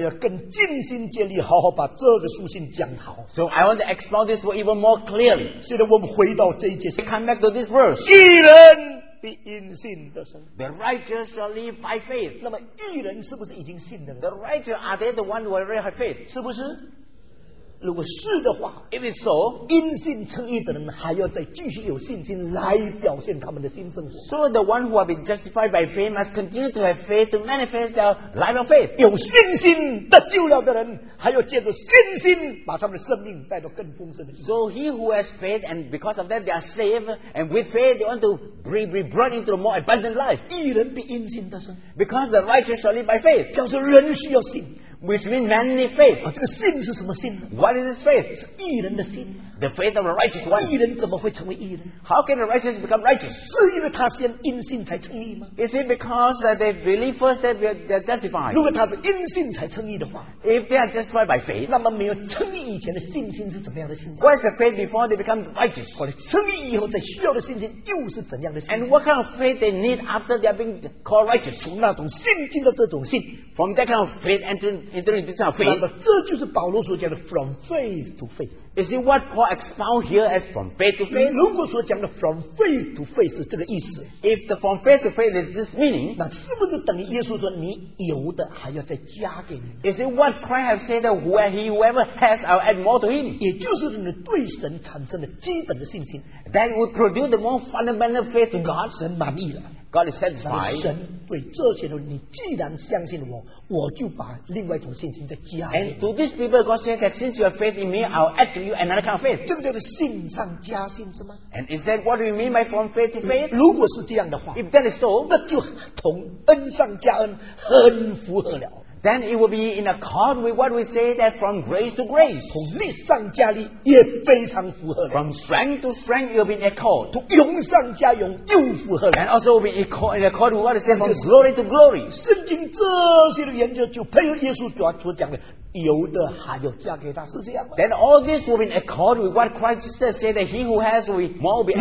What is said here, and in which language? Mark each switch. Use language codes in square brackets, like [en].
[zh] 要更尽心竭力好好把这个书信讲好。 [en] So I want to explore this word even more clearly. [zh] 现在我们回到这一节。 [en] We come back to this verse. [zh] 义人必因信得生。 [en] The righteous shall live by faith. [zh] 那么义人是不是已经信的了？ [en] The righteous, are they the ones who already have faith? [zh] 是不是？如果是的话， [en] if it's so, [zh] 因信称义的人还要再继续有信心来表现他们的新生活。 [en] So the one who have been justified by faith must continue to have faith to manifest their life of faith. [zh] 有信心得救了的人还要借着信心把他们的生命带到更丰盛的。 [en] So he who has faith and because of that they are saved and with faith they want to be brought into a more abundant life. [zh] 义人必因信得生。 [en] Because the righteous shall live by faith. [zh] 表示人需要信。 [en] Which means manly faith. [zh] 这个信是什么信？ [en] What is this faith? [zh] 是义人的信。 [en] The faith of a righteous one. [zh] 义人怎么会成为义人？ [en] How can a righteous become righteous? [zh] 是因为他先因信才称义吗？ [en] Is it because that they believe first that they are justified? [zh] 如果他是因信才称义的话， [en] If they are justified by faith, [zh] 那么没有称义以前的信心是怎么样的信心？ [en] What is the faith before they become righteous? [zh] 或者称义以后再需要的信心又是怎样的信心？ [en] And what kind of faith they need after they are being called righteous? [zh] 从那种信进到这种信。 [en] From that kind of faith entering this kind of faith. [zh] 那么这就是保罗所讲的 [en] from faith to faith. Is it what Paul expound here as from faith to faith? [zh] 如果所讲的 [en] from faith to faith [zh] 是这个意思， [en] If the from faith to faith is this meaning, [zh] 那是不是等于耶稣说你有的还要再加给你？ [en] Is it what Christ have said that whoever has I'll add more to him? [zh] 也就是你对神产生的基本的信心。 [en] That will produce the more fundamental faith to God. [zh] 神满意了。 [en] God is satisfied. [zh] 神对这些人，你既然相信我，我就把另外一种信心再加给你。 [en] And to these people, God said that since you have faith in me, I'll add to you another kind of faith. [zh] 这个叫做信上加信是吗？ [en] And is that what you mean by from faith to faith? [zh] 如果是这样的话， [en] If that is so, [zh] 那就同恩上加恩很符合了。 [en] Then it will be in accord with what we say that from grace to grace. [zh] 从力上加力也非常符合。 [en] From strength to strength, it will be in accord. [zh] 从勇上加勇又符合。 [en] And also will be in accord with what we say from glory to glory. [zh] 圣经这些的研究就配合耶稣所讲的，有的还要加给他，是这样吗？ [en] Then all this will be in accord with what Christ says, say that he who has will be more will be added